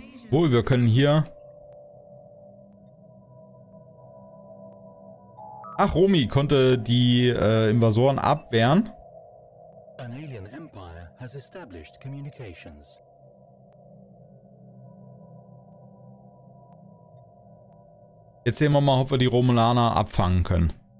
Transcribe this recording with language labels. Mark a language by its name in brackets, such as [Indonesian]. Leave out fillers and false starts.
[German] Wohl, wir können hier... Ach, Romy konnte die Invasoren abwehren. [English] An alien empire has established communications. [German] Jetzt sehen wir mal, ob wir die Romulaner abfangen können.